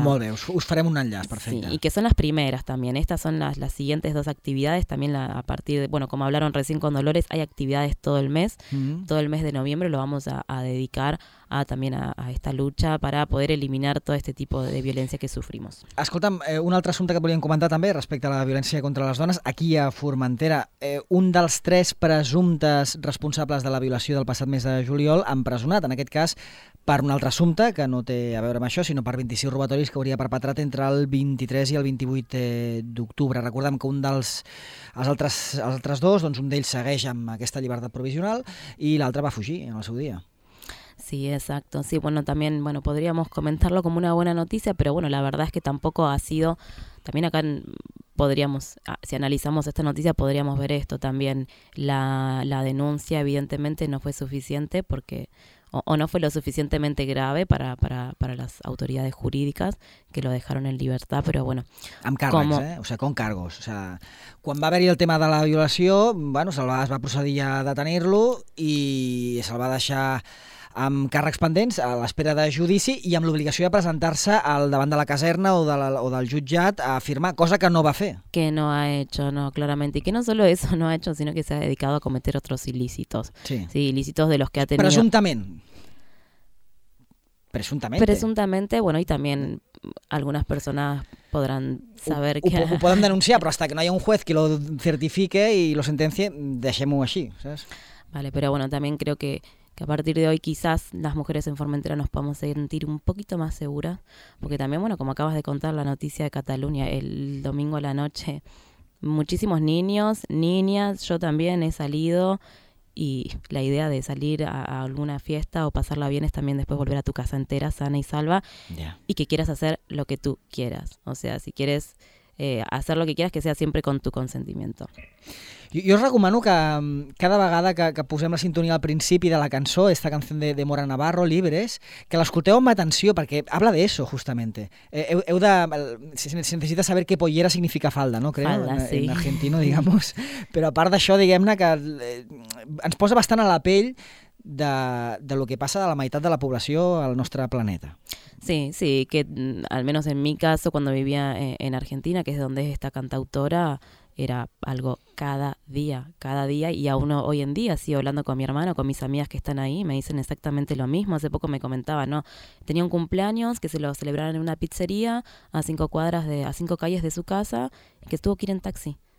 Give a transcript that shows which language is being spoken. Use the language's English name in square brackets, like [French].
[Catalan] Molt bé, us farem un enllaç, perfecte. [Spanish] Sí, y que son las primeras también. Estas son las siguientes dos actividades también a partir de... Bueno, como hablaron recién con Dolores, hay actividades todo el mes. Mm-hmm. Todo el mes de noviembre lo vamos a dedicar a esta lucha para poder eliminar todo este tipo de violència que sufrimos. [Catalan] Escolta'm, un altre assumpte que volíem comentar també respecte a la violència contra les dones. Aquí a Formentera, un dels tres presumptes responsables de la violació del passat mes de juliol han empresonat, en aquest cas, per un altre assumpte que no té a veure amb això, sinó per 26 robatoris que hauria perpetrat entre el 23 i el 28 d'octubre. Recordem que un dels els altres dos, doncs un d'ells segueix amb aquesta llibertat provisional i l'altre va fugir en el seu dia. [Spanish] Sí, exacto. Sí, bueno, también, bueno, podríamos comentarlo como una buena noticia, pero bueno, la verdad es que tampoco ha sido, también acá podríamos, si analizamos esta noticia, podríamos ver esto también. La denuncia evidentemente no fue suficiente porque o no fue lo suficientemente grave para las autoridades jurídicas que lo dejaron en libertad, pero bueno. [Catalan] Amb càrrecs, com... [Spanish] O sea, con cargos. O sea, [Catalan] quan va haver-hi el tema de la violació, bueno, es va procedir a detenir-lo i se'l va deixar amb càrrecs pendents a l'espera de judici i amb l'obligació de presentar-se al davant de la caserna o del jutjat a firmar, cosa que no va fer. [Spanish] Que no ha hecho, no, claramente. Y que no solo eso no ha hecho, sino que se ha dedicado a cometer otros ilícitos. Sí. Sí, ilícitos de los que ha tenido... Presuntamente. Presuntamente, bueno, y también algunas personas podrán saber que... [Catalan] Ho poden denunciar, però [Spanish] hasta que no haya un juez que lo certifique y lo sentencie, [Catalan] deixem-ho així, [Spanish] ¿sabes? Vale, pero bueno, también creo que a partir de hoy quizás las mujeres en Formentera nos podamos sentir un poquito más seguras, porque también, bueno, como acabas de contar la noticia de Cataluña, el domingo a la noche, muchísimos niños, niñas, yo también he salido y la idea de salir a alguna fiesta o pasarla bien es también después volver a tu casa entera, sana y salva, [English] yeah. [Spanish] Y que quieras hacer lo que tú quieras, o sea, si quieres... hacer lo que quieras, que sea siempre con tu consentimiento. [Catalan] Jo us recomano que cada vegada que posem la sintonia al principi de la cançó, [Spanish] esta canción de Mora Navarro, Libres, [Catalan] que l'escolteu amb atenció, perquè [Spanish] habla de eso, justamente. [Catalan] Heu de... Si necessites saber que pollera significa falda, no? [Spanish] Creo, falda, sí. En argentino, digamos. [Catalan] Però a part d'això, diguem-ne que ens posa bastant a la pell [Spanish] de lo que pasa [Catalan] a la meitat de la població al nostre planeta. [Spanish] Sí, sí, que al menos en mi caso, cuando vivía en Argentina, que es donde es esta cantautora, era algo cada día, y aún hoy en día, sí, hablando con mi hermano, con mis amigas que están ahí, me dicen exactamente lo mismo. Hace poco me comentaba, ¿no? Tenía un cumpleaños que se lo celebraron en una pizzería a cinco calles de su casa, y que tuvo que ir en taxi.